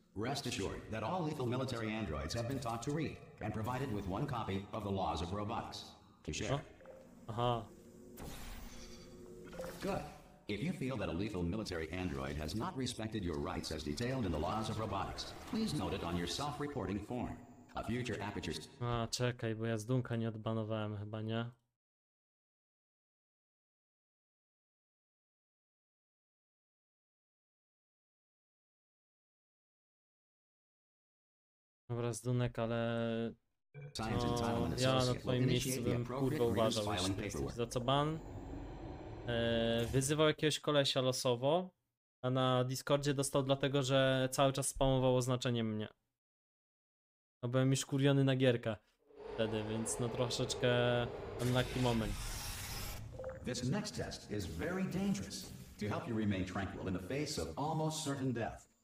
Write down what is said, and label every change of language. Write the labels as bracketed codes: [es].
[en] Rest assured that all lethal military androids have been taught to read and provided with one copy of the laws of robotics. To share. Aha. Good. If you feel that a lethal military android has not respected your rights as detailed in the laws of robotics, please note it on your self-reporting form. A future aperture. [pl] A, czekaj, bo ja z Dunka nie odbanowałem chyba, nie? Dobra, z Dunek, ale no, ja na twoim miejscu bym kurwa uważał, za co ban. Wyzywał jakiegoś kolesia losowo, a na Discordzie dostał dlatego, że cały czas spamował oznaczenie mnie. No byłem już kuriony na gierkę wtedy, więc no troszeczkę [en] unlucky moment. This next test is very dangerous to help you remain tranquil in the face of almost certain death.